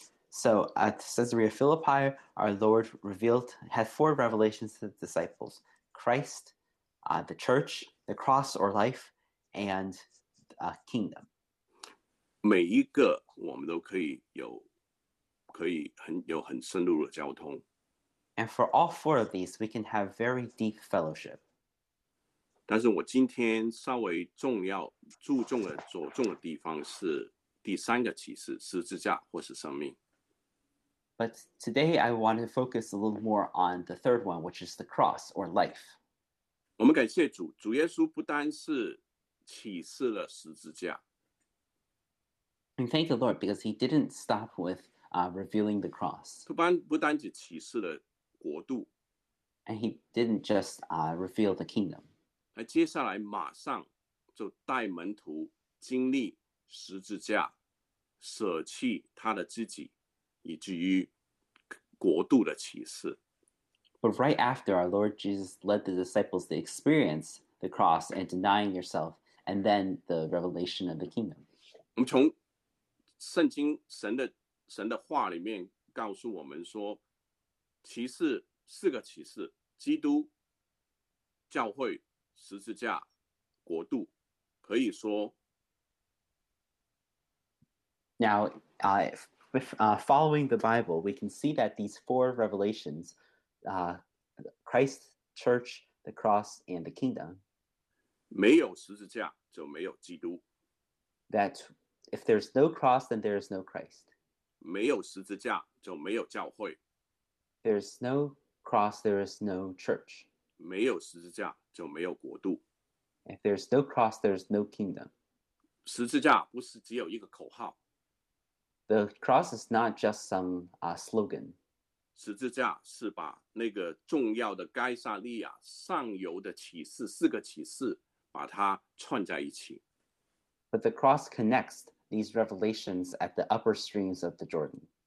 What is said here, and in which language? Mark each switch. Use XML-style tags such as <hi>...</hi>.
<en>So at Caesarea Philippi, our Lord revealed, had four revelations to the disciples. Christ, the church, the cross or life, and kingdom.</en> <zh>每一个我们都可以有很深入的交通。</zh> <en>And for all four of these, we can have very deep fellowship.</en> <zh>但是我今天稍微重要，注重的，着重的地方是第三个启示，十字架或是生命。</zh> <en>But today I want to focus a little more on the third one, which is the cross or life.</en> <zh>我们感谢主，主耶稣不单是启示了十字架。</zh> <en>And thank the Lord because he didn't stop with revealing the cross.</en> <zh>不单只启示了国度。</zh> <en>And he didn't just reveal the kingdom.</en> <zh>而接下来马上就带门徒经历十字架，舍弃他的自己。以至于国度的启示。</zh> <en>But right after, our Lord Jesus led the disciples to experience the cross and denying yourself, and then the revelation of the kingdom.</en> <zh>我们从圣经神的话里面告诉我们说，启示四个启示：基督、教会、十字架、国度。可以说</zh> <en>，Now I've. Following the Bible, we can see that these four revelations, Christ, Church, the Cross, and the Kingdom,</en> <zh>没有十字架就没有基督。</zh> <en>That if there's no cross, then there is no Christ.</en> <zh>没有十字架就没有教会。</zh> <en>There's no cross, there is no church.</en> <zh>没有十字架就没有国度。</zh> <en>If there's no cross, there's no kingdom.</en> <zh>十字架不是只有一个口号。</zh> <en>The cross is not just some slogan.</en> <zh>十字架是把那个重要的该撒利亚上游的启示，四个启示，把它串在一起。</zh> <en>But the cross connects these revelations at the upper streams of the Jordan.</en>